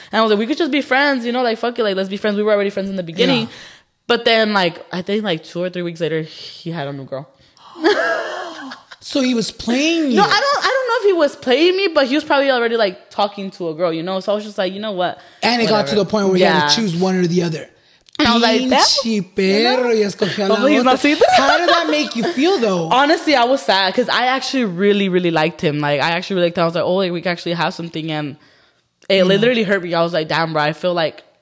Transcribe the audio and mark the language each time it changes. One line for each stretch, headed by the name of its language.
English: And I was like, we could just be friends, you know, like fuck it, like let's be friends. We were already friends in the beginning. Yeah. But then like I think like 2 or 3 weeks later, he had a new girl. So he was playing you. No, I don't know if he was playing me, but he was probably already like talking to a girl, you know? So I was just like, you know what? And whatever. It got to the point where he had to choose one or the other. And I was like,
Spanish: pinche perro, y escogió la otra.
English: How did that make you feel though? Honestly, I was sad because I actually really, really liked him. Like, I actually really liked him. I was like, oh, like, we can actually have something. And it literally hurt me. I was like, damn, bro, I feel like.